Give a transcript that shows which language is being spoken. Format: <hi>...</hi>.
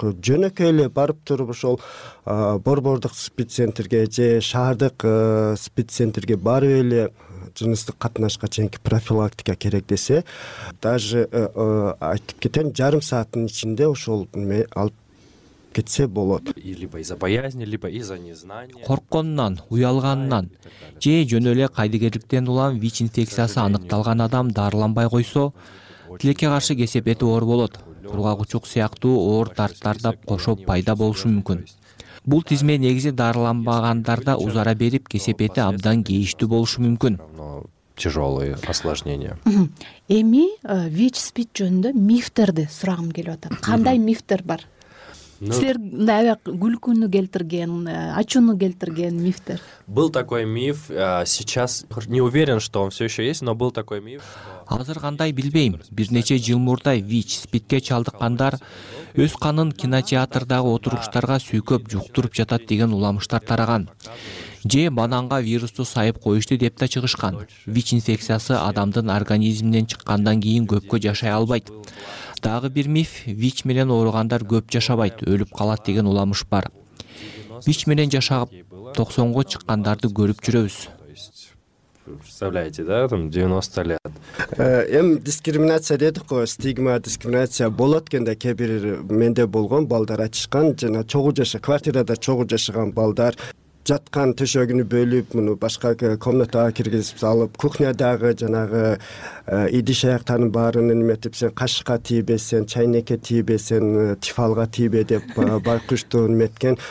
<ky>Жөнөкөй эле барып туруп ошол борбордук спеццентрге же шаардык спеццентрге барып эле жыныстык катнашка чейинки профилактика керек десе, даже айтып кетем, жарым сааттын ичинде ошол алып кетсе болот.</ky> <ru>Либо из-за боязни, либо из-за незнания.</ru> <ky>Корконунан, уялганынан же жөн эле кайдыгерликтен улам ВИЧ инфекциясы аныкталган адам дарыланбай койсо, тилекке каршы кесепети оор болот. Кургак учук сыяктуу оор дарттарда кошо пайда болушу мүмкүн. Бул тизме негизи дарыланбагандарда узара берип, кесепети абдан кейиштүү болушу мүмкүн.</ky> <ru>Тяжелые осложнения.</ru> <ky>Эми ВИЧ-спид жөнүндө мифтерди сурагым келип атат. Кандай мифтер бар? Силер мындай аябай күлкүнү келтирген, ачууну келтирген мифтер.</ky> <ru>Был такой миф, сейчас не уверен, что он все еще есть, но был такой миф.</ru> <ky>Азыр кандай билбейм. Бир нече жыл мурдай ВИЧ, спитке чалдыккандар өз канын кинотеатрдагы отуруштарга сүйкөп жуктуруп жатат деген уламыштар тараган. Же бананга вирусту сайып коюшту деп да чыгышкан. ВИЧ инфекциясы адамдын организминен чыккандан кийин көпкө жашай албайт. Дагы бир миф, ВИЧ менен ооругандар көп жашабайт, өлүп калат деген уламыш бар. ВИЧ менен жашап 90-го чыккандарды көрүп жүрөбүз.</ky> <ru>Представляете, да, там 90 лет.</ru> <ky>Дискриминация дедик го, стигма, дискриминация болот кенде кээ бир менде болгон балдар ачышкан жана чогуу жашаган квартирада чогуу жашаган балдар жаткан төшөгүнү бөлүп, муну башка комнатага киргизип салып, кухнядагы жанагы идиш аяктардын баарын эметип, сен кашыкка тийбесен, чайнекке тийбесен, тифалга тийбе деп байкуштуу эметкен.</ky>